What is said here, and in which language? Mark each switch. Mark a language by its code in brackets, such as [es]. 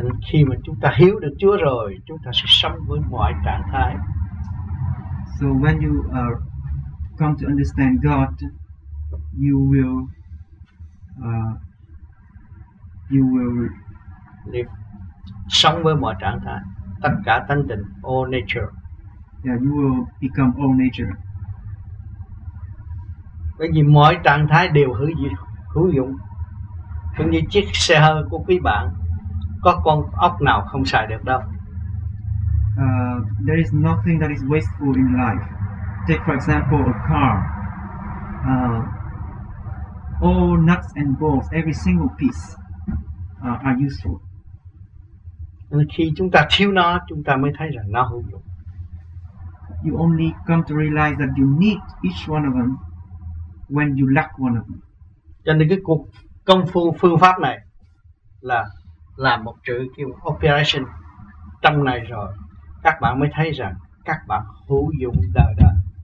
[vi] Khi mà chúng ta hiểu được Chúa rồi, chúng ta sẽ sống với mọi trạng thái. [en] So when you come to understand God, you will live, [vi] sống với mọi trạng thái, tất cả tánh tình, [en] all nature. Yeah, you will become all nature. [vi] Bởi vì mọi trạng thái đều hữu dụng. Cũng như chiếc xe hơi của quý bạn, có con ốc nào không xài được đâu. [en] There is nothing that is wasteful in life. Take for example a car. All nuts and bolts, every single piece are useful. [vi] Khi chúng ta thiếu nó, chúng ta mới thấy rằng nó hữu dụng. [en] You only come to realize that you need each one of them when you lack one of them. [vi] Cho nên cái cuộc công phu phương pháp này là làm một chữ kêu operation trong này rồi, các bạn mới thấy rằng các bạn hữu dụng đời đời.